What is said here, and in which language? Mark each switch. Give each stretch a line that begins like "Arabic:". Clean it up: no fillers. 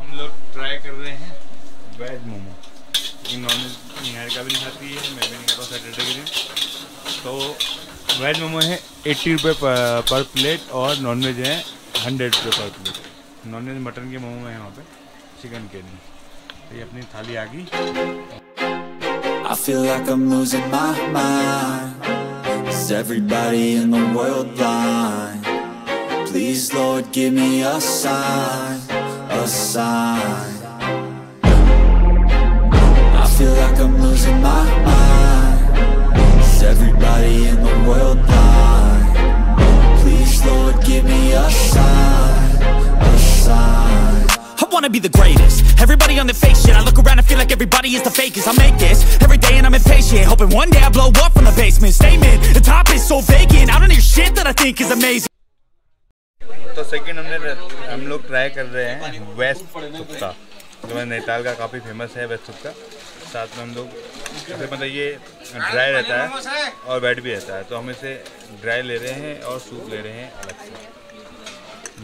Hindi: हम लोग ट्राई कर रहे हैं वेज मोमो, लेकिन नॉन वेज निहार का भी नहीं खाती है, मैं भी नहीं खाता सैटरडे के दिन। तो वेज मोमो है 80 रुपये पर प्लेट और नॉन वेज है 100 रुपये पर प्लेट। नॉन वेज मटन के मोमो हैं वहाँ पर, चिकन के नहीं। तो ये अपनी थाली आ गई।
English: I feel like I'm losing my mind. Is everybody in the world blind? Please, Lord, give me a sign, a sign. I feel like I'm losing my mind. Is everybody in the world blind? Please, Lord, give me a sign, a sign. I wanna be the greatest. Everybody on their fake shit. I look around and feel like everybody is the fakest. I make this every day and I'm impatient, hoping one day I blow up from the basement. Statement, the top is so vacant. I don't hear shit that I think is amazing.
Hindi: तो second हम लोग try कर रहे हैं waste सुक्का, जो नैनीताल का काफी फेमस है वेस्ट सुक्का। साथ में हम लोग इसे मतलब ये ड्राई रहता है और वेट भी रहता है, तो हम इसे ड्राई ले रहे हैं और सूप ले रहे हैं अलग से।